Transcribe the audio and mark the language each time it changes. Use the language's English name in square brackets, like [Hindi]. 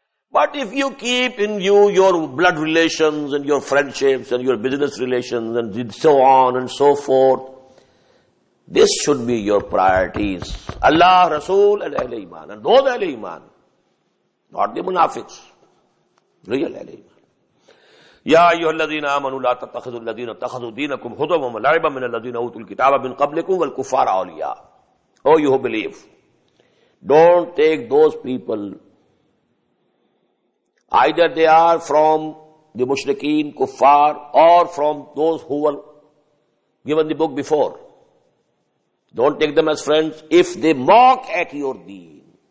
[English] But if you keep in view your blood relations, and your friendships, and your business relations, and so on and so forth, this should be your priorities. Allah, Rasul, and Ahli Iman, and those Ahli Iman, not the munafiqs. [Arabic] يا أيها الذين آمنوا لا تتخذوا الذين اتخذوا دينكم هزوا ولعبا من الذين أوتوا الكتاب من قبلكم والكفار أولياء. [English] Oh you who believe, don't take those people, either they are from the mushrikeen, kuffar, or from those who were given the book before. Don't take them as friends if they mock at your deen.